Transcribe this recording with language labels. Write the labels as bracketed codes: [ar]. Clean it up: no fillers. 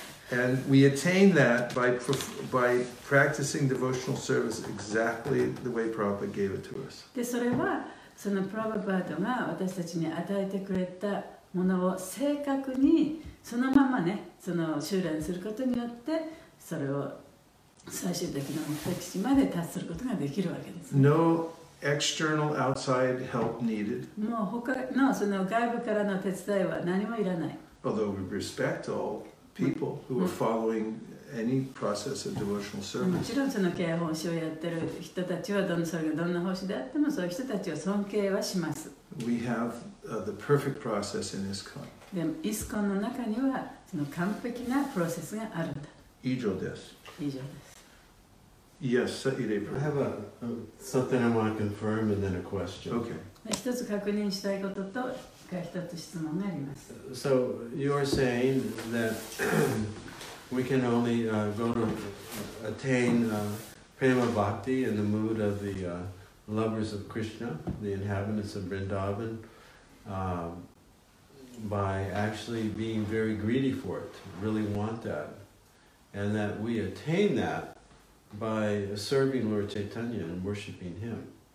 [en] And we attain that by practicing devotional service exactly the way Prabhupada gave it to us. [ja] で、それはそのプラヴァパーダが私たちに与えてくれたものを正確にそのままね、その修練することによってそれを最終的な目的地まで達することができるわけです。 [en] No. External outside help needed. [ja] もう他のその外部からの手伝いは何もいらない。 [en] Although we respect all people who are following any process of devotional service. [ja] もちろんその敬奉仕をやってる人たちはどのそれがどんな奉仕であってもそういう人たちを尊敬はします。 [en] We have the perfect process in ISKCON. [ja] でもISKCONの中にはその完璧なプロセスがあるんだ。以上です。以上です。 [en] Yes, Sayurei. I have something I want to confirm and then a question. Okay. [ja] 一つ確認したいことと、一つ質問があります。 [en] So you are saying that we can only go to attain prema bhakti in the mood of the lovers of Krishna, the inhabitants of Vrindavan, by actually being very greedy for it, really want that, and that we attain that by serving Lord Chaitanya and worshiping Him.